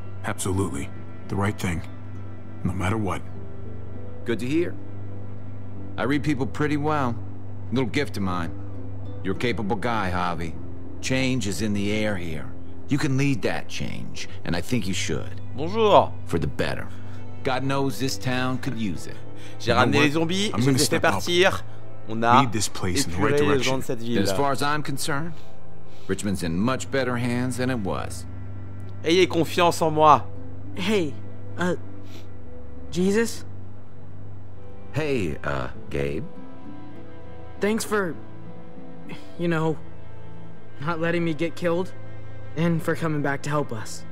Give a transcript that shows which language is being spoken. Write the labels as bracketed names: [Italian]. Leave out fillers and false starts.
[English] Absolutely. The right thing. No matter what. Good to hear. I read people pretty well. Little gift of mine. You're a capable guy, Javi. Change is in the air here. You can lead that change, and I think you should. [French] Bonjour. [English] For the better. God knows this town could use it. [French] J'ai ramené les zombies, je les fais partir. On a épuré les gens de cette ville. [English] As far as I'm concerned, Richmond's in much better hands than it was. [French] Ayez confiance en moi. [English] Hey, Jesus? Hey, Gabe. Thanks for... You know, not letting me get killed, and for coming back to help us.